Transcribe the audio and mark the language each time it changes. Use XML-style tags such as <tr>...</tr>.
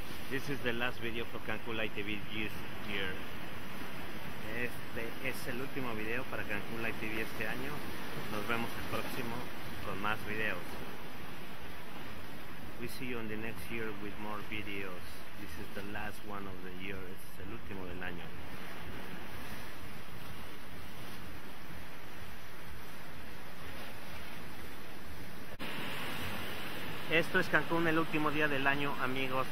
<en>This is the last video for Cancún Light TV this year.</en> <es>Este es el último video para Cancún Light TV este año. Nos vemos el próximo con más videos.</es> <en>We see you in the next year with more videos. This is the last one of the year.</en> <es>Este es el último del año. Esto es Cancún, el último día del año, amigos.</es>